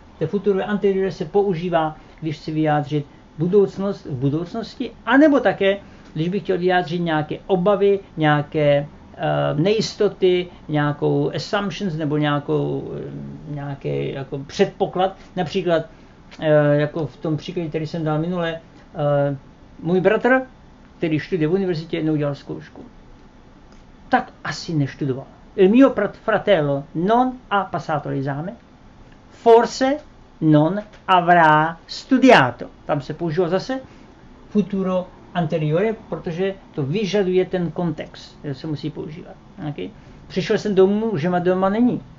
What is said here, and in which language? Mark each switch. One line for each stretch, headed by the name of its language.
Czech: To futuro anteriore se používá, když chci vyjádřit budoucnost v budoucnosti, anebo také, když bych chtěl vyjádřit nějaké obavy, nějaké nejistoty, nějakou assumptions nebo nějaký jako předpoklad. Například jako v tom příkladě, který jsem dal minule, můj bratr, který studuje v univerzitě, neudělal zkoušku. Tak asi neštudoval.
Italian: Il mio fratello non ha passato l'esame. Forse non avrà studiato.
Czech: Tam se používá zase futuro anteriore, protože to vyžaduje ten kontext, který se musí používat. Okay? Přišel jsem domů, že ma doma není.